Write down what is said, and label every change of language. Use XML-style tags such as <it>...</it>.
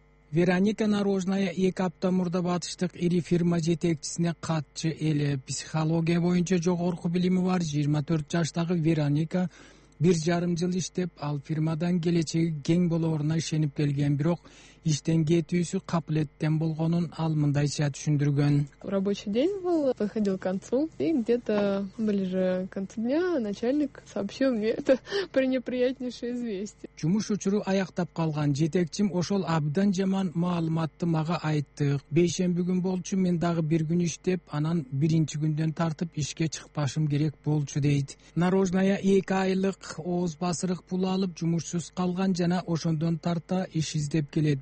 <ky>Вероника Нарожная 2 апта мурда батыштык ири фирма жетекчисине катчы эле. Психология боюнча жогорку билими бар 24 жаштагы Вероника 1.5 жыл иштеп, ал фирмадан келечеги кең болоруна ишенип келген, бирок иштен кетүүсү капилеттен болгонун ал мындайча түшүндүргөн.</ky> <ru>Рабочий день был, подходил к концу, и где-то ближе к концу дня начальник сообщил мне это пренеприятнейшее известие.</ru> <ky>Жумуш учуру аяктап калган жетекчим ошол абдан жаман маалыматты мага айтты. Бейшемби күн болчу, мен дагы бир күн иштеп, анан биринчи күндөн тартып ишке чыкпашым керек болчу, дейт. Нарожная 2 айлык ооз басырык пул алып жумушсуз калган жана ошондон тарта иш издеп келет.</ky>